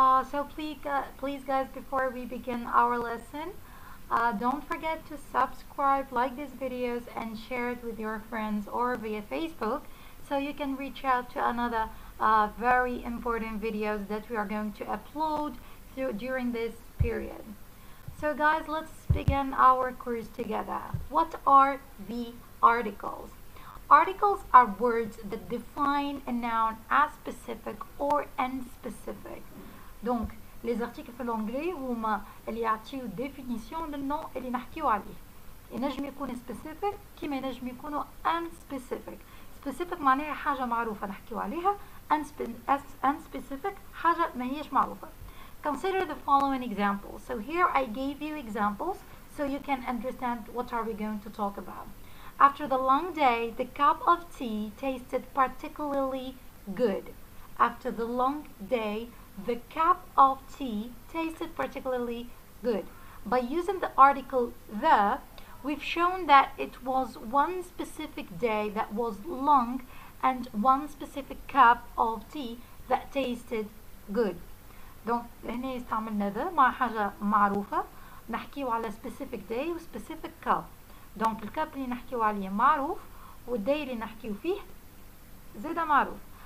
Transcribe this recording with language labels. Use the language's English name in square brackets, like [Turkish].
[English] So please guys, before we begin our lesson, don't forget to subscribe, like these videos and share it with your friends or via Facebook so you can reach out to another very important videos that we are going to upload during this period. So guys, let's begin our course together. What are the articles? Articles are words that define a noun as specific or unspecific. [French] Donc, les articles en anglais [Arabic] huma اللي يعطيو ديفينيسيون للنوع اللي نحكيو عليه. ينجم يكون specific كيما ينجم يكونوا unspecific. Specific معناها حاجة معروفة نحكيو عليها, unspecific حاجة ماهيش معروفة. [English] Consider the following examples. So here I gave you examples so you can understand what are we going to talk about. After the long day, the cup of tea tasted particularly good. After the long day, the cup of tea tasted particularly good. By using the article the, we've shown that it was one specific day that was long and one specific cup of tea that tasted good. [Arabic] دونك هنا استعملنا ذا مع حاجة معروفة نحكيو على [English] specific day [Arabic] و [English] specific cup. [Arabic] دونك الكاب اللي نحكيو عليه معروف والداي اللي نحكيو فيه زادة معروف.